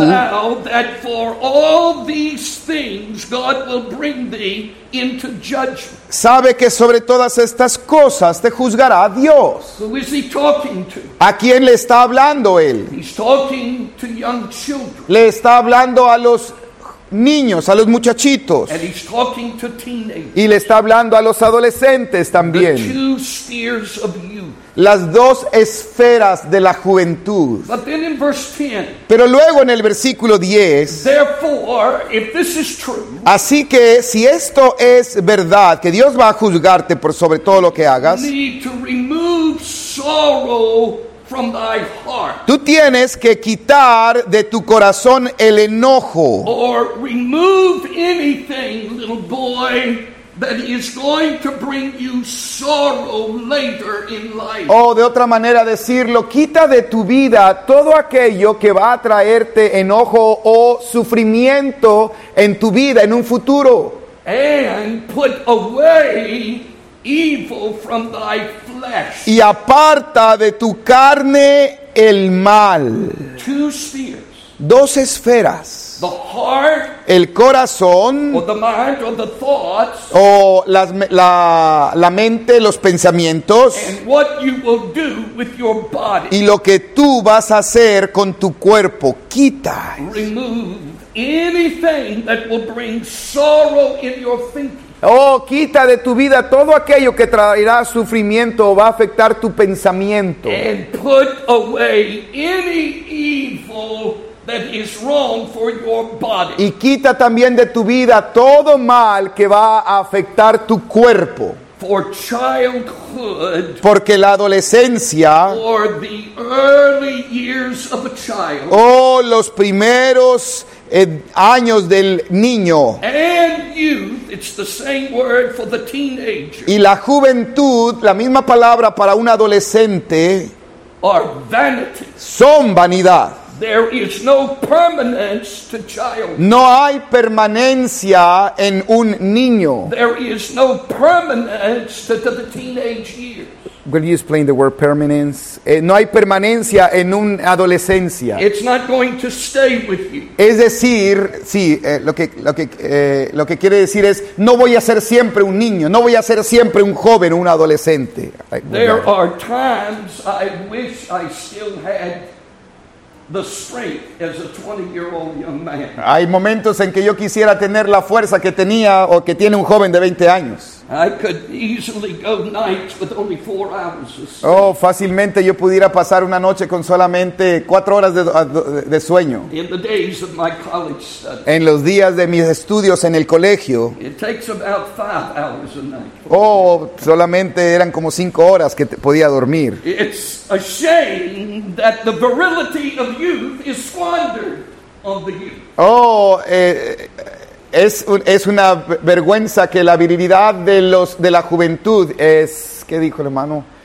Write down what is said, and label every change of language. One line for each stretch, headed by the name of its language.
English: know thou that for all these things God will bring thee into judgment.
Spanish: Sabe que sobre todas estas cosas te juzgará Dios.
English: Who is he talking to?
Spanish: ¿A quién le está hablando él?
English: He's talking to young children.
Spanish: Le está hablando a los niños, a los muchachitos.
English: And he's talking to teenagers.
Spanish: Y le está hablando a los adolescentes también.
English: The two spheres of youth.
Spanish: Las dos esferas de la juventud.
English: But then in verse 10,
Spanish: pero luego en el versículo 10,
English: therefore, if this is true,
Spanish: así que si esto es verdad, que Dios va a juzgarte por sobre todo lo que hagas,
English: need to remove sorrow from thy heart.
Spanish: Tú tienes que quitar de tu corazón el enojo.
English: Or remove anything, little boy, that is going to bring you sorrow later in life.
Spanish: Oh, de otra manera decirlo, quita de tu vida todo aquello que va a traerte enojo o sufrimiento en tu vida en un futuro.
English: And put away evil from thy flesh.
Spanish: Y aparta de tu carne el mal.
English: Two spheres.
Spanish: Dos esferas.
English: The heart,
Spanish: el corazón,
English: or the mind, or the thoughts,
Spanish: o la mente, los pensamientos,
English: and what you will do with your body.
Spanish: Y lo que tú vas a hacer con tu cuerpo, quita.
English: Remove anything that will bring sorrow in your thinking.
Spanish: Oh, quita de tu vida todo aquello que traerá sufrimiento o va a afectar tu pensamiento.
English: And put away any evil that is wrong for your body.
Spanish: Y quita también de tu vida todo mal que va a afectar tu cuerpo.
English: For childhood,
Spanish: porque la adolescencia,
English: or the early years of a child,
Spanish: o los primeros años del niño,
English: and youth, it's the same word for the teenager,
Spanish: y la juventud, la misma palabra para un adolescente,
English: are vanity,
Spanish: son vanidad.
English: There is no permanence to child.
Spanish: No hay permanencia en un niño.
English: There is no permanence to the teenage years. Will you explain the word permanence?
Spanish: No hay permanencia en un adolescencia.
English: It's not going to stay with you.
Spanish: Es decir, sí, lo que quiere decir es no voy a ser siempre un niño, no voy a ser siempre un joven, un adolescente.
English: There are times I wish I still had the strength as a 20-year-old young man.
Spanish: Hay momentos en que yo quisiera tener la fuerza que tenía o que tiene un joven de 20 años.
English: I could easily go nights with only 4 hours of sleep.
Spanish: Oh, fácilmente yo pudiera pasar una noche con solamente 4 horas de sueño.
English: In the days of my college study.
Spanish: En los días de mis estudios en el colegio.
English: It takes about 5 hours a night.
Spanish: Oh, solamente eran como 5 horas que podía dormir.
English: It's a shame that the virility of youth is squandered on the youth.
Spanish: Oh, es una vergüenza que la virilidad de la juventud es, ¿qué dijo el hermano?